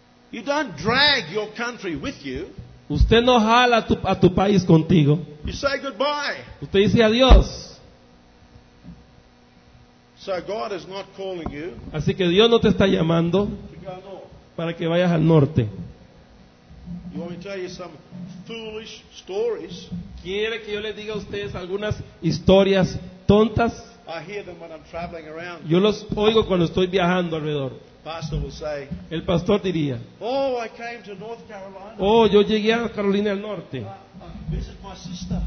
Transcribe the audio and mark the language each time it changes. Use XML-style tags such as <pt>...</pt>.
<en>You don't drag your country with you.</en> <es>Usted no jala a tu país contigo.</es> <en>You say goodbye.</en> <es>Usted dice adiós.</es> <en>So God is not calling you.</en> <es>Así que Dios no te está llamando para que vayas al norte.</es> <en>You want me to tell you some foolish stories?</en> <es>¿Quiere que yo les diga a ustedes algunas historias tontas?</es> <en>I hear them when I'm traveling around.</en> <es>Yo los oigo cuando estoy viajando alrededor.</es> <en>Pastor will say,</en> <es>el pastor diría,</es> <en>oh, I came to North Carolina.</en> <es>Oh, yo llegué a Carolina del Norte.</es> <en>Visit my sister.</en>